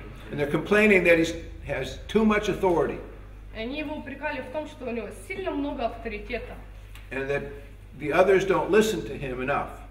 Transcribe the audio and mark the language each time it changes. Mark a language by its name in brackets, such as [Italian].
[English] And they're complaining that he has too much authority. [Russian] Они его упрекали в том, что у него сильно много авторитета. [English] And that the others don't listen to him enough.